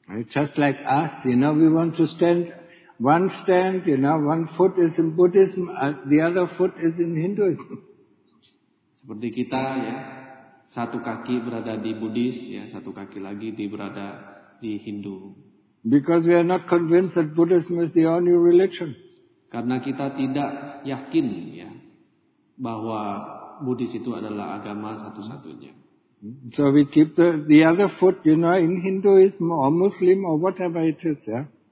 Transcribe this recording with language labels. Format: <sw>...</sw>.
<en>Just like us, you know, we want to stand. One stand, you know, one foot is in Buddhism, the other foot is in Hinduism.</en> <id>Seperti kita, ya, satu kaki berada di Buddhis, ya, satu kaki lagi berada di Hindu.</id> <en>Because we are not convinced that Buddhism is the only religion.</en> <id>Karena kita tidak yakin, ya, bahwa Buddhis itu adalah agama satu-satunya.</id> <en>So we keep the other foot, you know, in Hinduism or Muslim or whatever it is, ya. Yeah?</en>